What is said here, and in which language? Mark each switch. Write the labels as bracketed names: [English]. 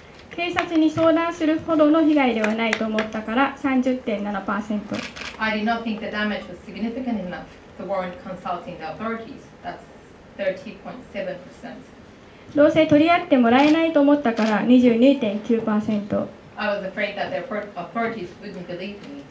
[Japanese] 警察に相談するほどの被害ではないと思ったから 30.7%. [English] I did not think the damage was significant enough the warrant consulting authorities. That's 30.7%. [Japanese] どうせ取り合ってもらえないと思ったから 22.9%。 [English] I was afraid that the authorities wouldn't believe me.